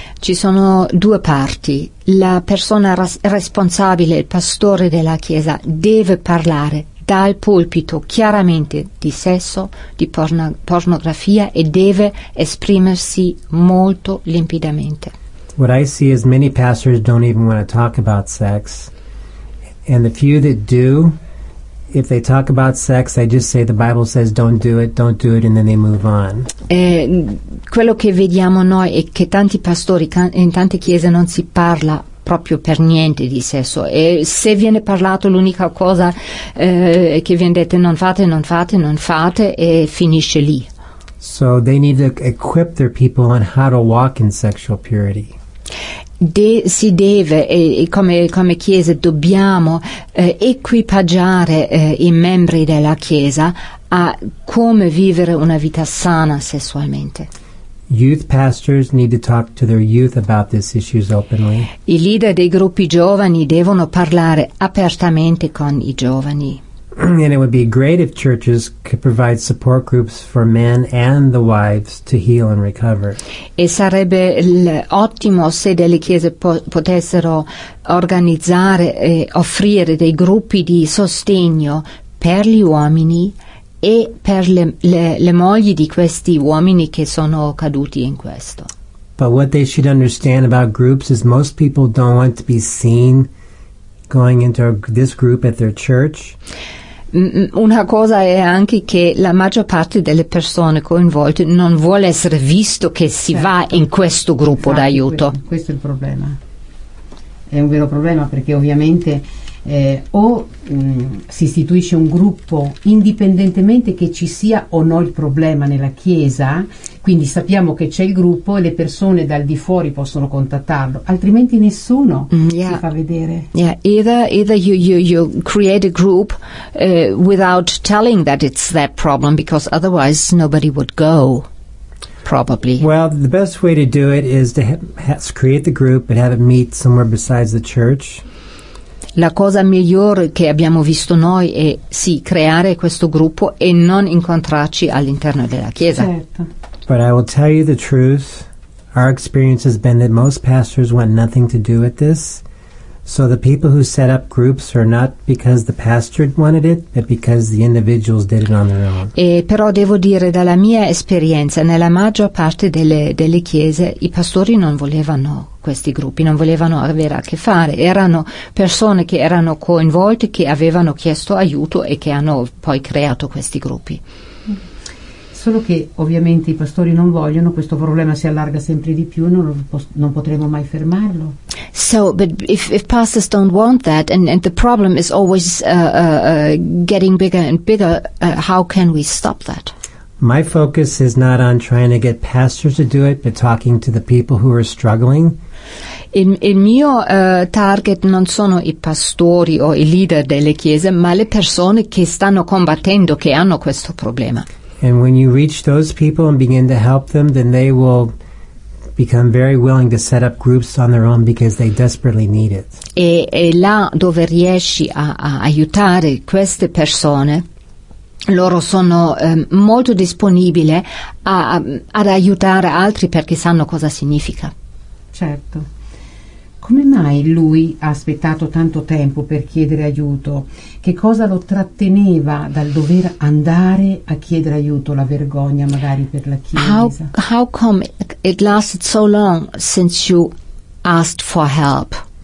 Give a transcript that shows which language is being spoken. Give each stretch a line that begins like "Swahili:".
Italian: Ci sono due parti. La persona responsabile, il pastore della chiesa, deve parlare dal pulpito chiaramente di sesso, di pornografia, e deve esprimersi molto limpidamente.
English: What I see is many pastors don't even want to talk about sex, and the few that do, if they talk about sex, they just say the Bible says don't do it, and then they move on.
Italian: Quello che vediamo noi è che tanti pastori, in tante chiese non si parla proprio per niente di sesso, e se viene parlato l'unica cosa che viene detto non fate, non fate, non fate, e finisce lì.
English: So they need to equip their people on how to walk in sexual purity.
Italian: Si deve, come chiesa dobbiamo equipaggiare i membri della chiesa a come vivere una vita sana sessualmente.
English: Youth pastors need to talk to their youth about these issues openly.
Italian: I leader dei gruppi giovani devono parlare apertamente con i giovani.
English: And it would be great if churches could provide support groups for men and the wives to heal and recover.
Italian: E sarebbe ottimo se delle chiese potessero organizzare e offrire dei gruppi di sostegno per gli uomini e per le mogli di questi uomini che sono caduti in questo.
English: But what they should understand about groups is most people don't want to be seen going into this group at their church.
Italian: Una cosa è anche che la maggior parte delle persone coinvolte non vuole essere visto che si certo va in questo gruppo, esatto, d'aiuto. Questo è il problema. È un vero problema, perché ovviamente si istituisce un gruppo indipendentemente che ci sia o no il problema nella chiesa, quindi sappiamo che c'è il gruppo e le persone dal di fuori possono contattarlo, altrimenti nessuno yeah si fa vedere.
English: Yeah, either you create a group without telling that it's that problem, because otherwise nobody would go. Probably. Well, the best way to do it is to create the group and have it meet somewhere besides the church.
Italian: La cosa migliore che abbiamo visto noi è sì creare questo gruppo e non incontrarci all'interno della chiesa. Certo.
English: But I will tell you the truth. Our experience has been that most pastors want nothing to do with this. So the people who set up groups are not because the pastor wanted it, but because the individuals did it on their own.
Italian: E però devo dire, dalla mia esperienza, nella maggior parte delle chiese i pastori non volevano questi gruppi, non volevano avere a che fare, erano persone che erano coinvolte, che avevano chiesto aiuto e che hanno poi creato questi gruppi. Solo che ovviamente i pastori non vogliono, questo problema si allarga sempre di più, non potremo mai fermarlo.
English: So, but if pastors don't want that and the problem is always getting bigger and bigger, how can we stop that? My focus is not on trying to get pastors to do it, but talking to the people who are struggling.
Italian: Il mio target non sono i pastori o i leader delle chiese, ma le persone che stanno combattendo, che hanno questo problema.
English: And when you reach those people and begin to help them, then they will become very willing to set up groups on their own because they desperately need it.
Italian: E là dove riesci a aiutare queste persone, loro sono molto disponibili ad aiutare altri perché sanno cosa significa. Certo. Come mai lui ha aspettato tanto tempo per chiedere aiuto? Che cosa lo tratteneva dal dover andare a chiedere aiuto, la vergogna magari per la chiesa?
English: How come it lasted so long since you asked for help?